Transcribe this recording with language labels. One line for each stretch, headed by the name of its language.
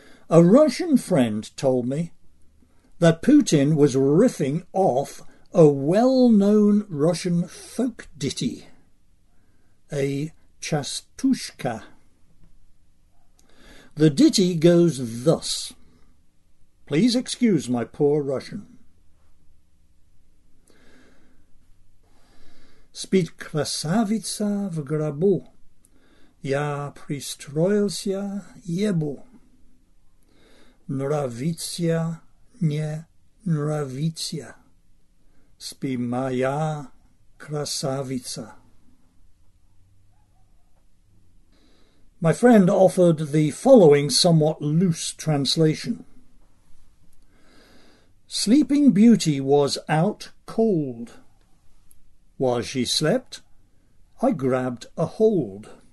English: A Russian friend told me that Putin was riffing off a well-known Russian folk ditty, a chastushka. The ditty goes thus. Please excuse my poor Russian.
Russian: Спит красавица в гробу, я пристроился ебу. Нравится не нравится, спи моя красавица.
English: My friend offered the following somewhat loose translation. Sleeping Beauty was out cold. While she slept, I grabbed a hold.